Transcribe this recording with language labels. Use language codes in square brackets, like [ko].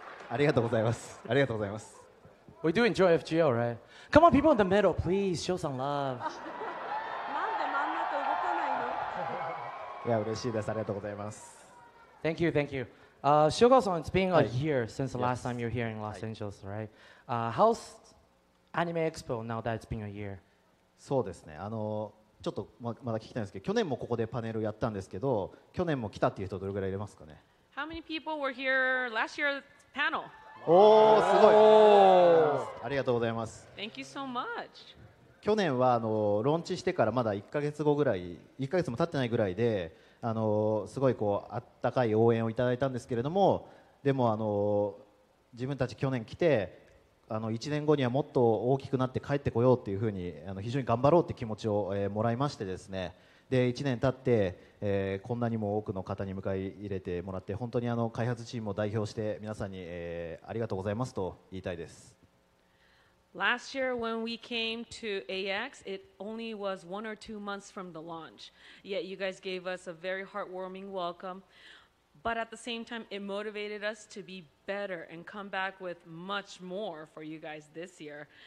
[ja] ありがとうございます。ありがとうございます。 [en] We do enjoy FGO, right? Come on, people in the middle, please show some love. [ja] なんで真ん中動かないの？いや、嬉しいです。ありがとうございます。 [en] Thank you, thank you. Shiokawa-san, it's been a year since the last time you're here in Los Angeles, right? How's Anime Expo now that it's been a year? [ja] そうですね。ちょっと まだ聞きたいんですけど、去年もここでパネルやったんですけど、去年も来たっていう人どれぐらいいれますかね？ [en] How many people were here last year's panel? [ja] おお、すごい。ありがとうございます。 [en] Thank you so much. [ja] 去年はローンチしてからまだ1ヶ月後ぐらい、1ヶ月も経ってないぐらいで、すごいこうあったかい応援をいただいたんですけれども、でも自分たち去年来て1年後にはもっと大きくなって帰ってこようっていうふうに非常に頑張ろうって気持ちを、もらいましてですね、で1年経って、こんなにも多くの方に迎え入れてもらって本当に開発チームを代表して皆さんに、ありがとうございますと言いたいです。 [en] Last year when we came to AX it only was one or two months from the launch yet you guys gave us a very heartwarming welcome but at the same time it motivated us to beBetter and come back with much more for you guys this year.